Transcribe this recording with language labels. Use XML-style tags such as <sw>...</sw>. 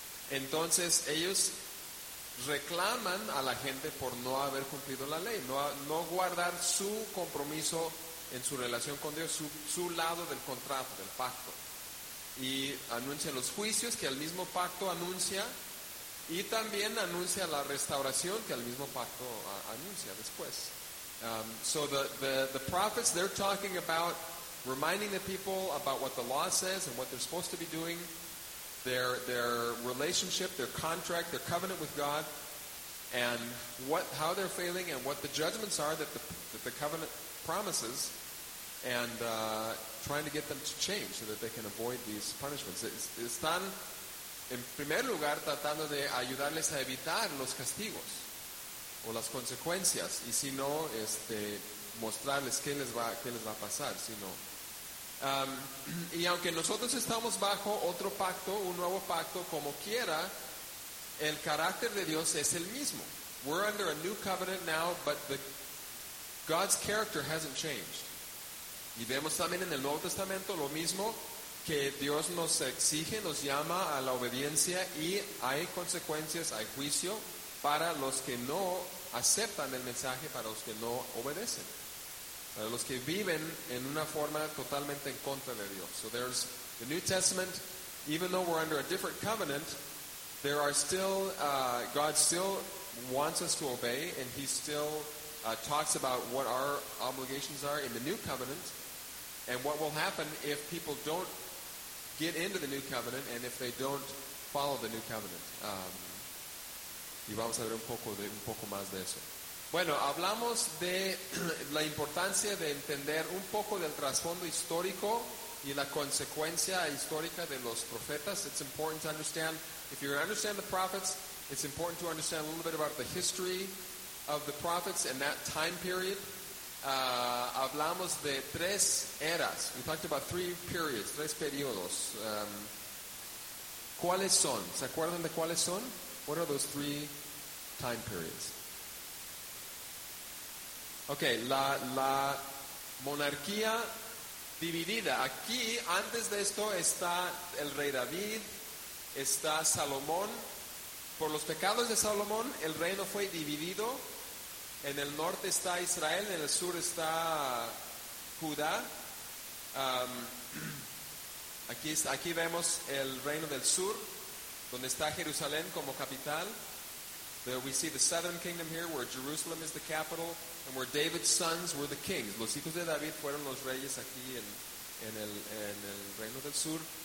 <es>Entonces, ellos reclaman a la gente por no haber cumplido la ley, no guardar su compromiso en su relación con Dios, su lado del contrato, del pacto. Y anuncian los juicios que el mismo pacto anuncia, y también anuncia la restauración que el mismo pacto anuncia después.</es> <en>So the prophets, they're talking about reminding the people about what the law says and what they're supposed to be doing, their relationship, their contract, their covenant with God, and how they're failing and what the judgments are that the covenant promises, and trying to get them to change so that they can avoid these punishments.</en> <es>Están en primer lugar tratando de ayudarles a evitar los castigos o las consecuencias, y si no, mostrarles qué les va a pasar, si no. Y aunque nosotros estamos bajo otro pacto, un nuevo pacto, como quiera, el carácter de Dios es el mismo.</es> <en>We're under a new covenant now, but God's character hasn't changed.</en> <es>Y vemos también en el Nuevo Testamento lo mismo, que Dios nos exige, nos llama a la obediencia, y hay consecuencias, hay juicio para los que no aceptan el mensaje, para los que no obedecen, para los que viven en una forma totalmente en contra de Dios.</es> <en>So there's the New Testament, even though we're under a different covenant, there are still, God still wants us to obey, and he still talks about what our obligations are in the New Covenant, and what will happen if people don't get into the New Covenant, and if they don't follow the New Covenant.</en> <es>Y vamos a ver un poco más de eso. Bueno, hablamos de la importancia de entender un poco del trasfondo histórico y la consecuencia histórica de los profetas.</es> <en>It's important to understand, if you're going to understand the prophets, it's important to understand a little bit about the history of the prophets and that time period.</en> <es>Hablamos de tres eras.</es> <en>We talked about three periods,</en> <es>tres periodos. ¿Cuáles son? ¿Se acuerdan de cuáles son?</es> <en>What are those three time periods?</en> <es>Okay, la monarquía dividida. Aquí, antes de esto, está el rey David, está Salomón. Por los pecados de Salomón, el reino fue dividido. En el norte está Israel, en el sur está Judá. Aquí vemos el reino del sur, donde está Jerusalén como capital.</es> <en>There we see the southern kingdom here, where Jerusalem is the capital, and where David's sons were the kings.</en> <es>Los hijos de David fueron los reyes aquí en el reino del sur.</es>